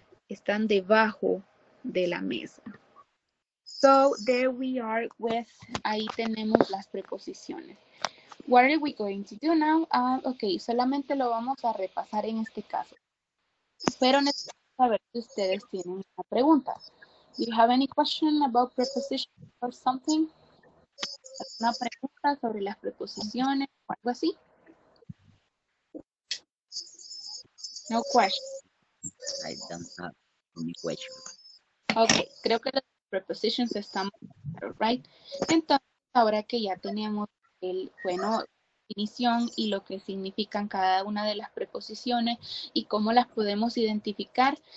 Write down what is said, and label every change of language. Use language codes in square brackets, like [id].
[es] Están debajo de la mesa. [en] So, there we are with, [es] ahí tenemos las preposiciones. [en] What are we going to do now? Okay, [es] solamente lo vamos a repasar en este caso. Pero necesito saber si ustedes tienen una pregunta. [en] Do you have any question about prepositions or something? [es] ¿Alguna pregunta sobre las preposiciones o algo así? [en] No question. I don't have any question. [es] Okay, creo que las prepositions están right. Entonces, ahora que ya tenemos definición y lo que significan cada una de las preposiciones y cómo las podemos identificar.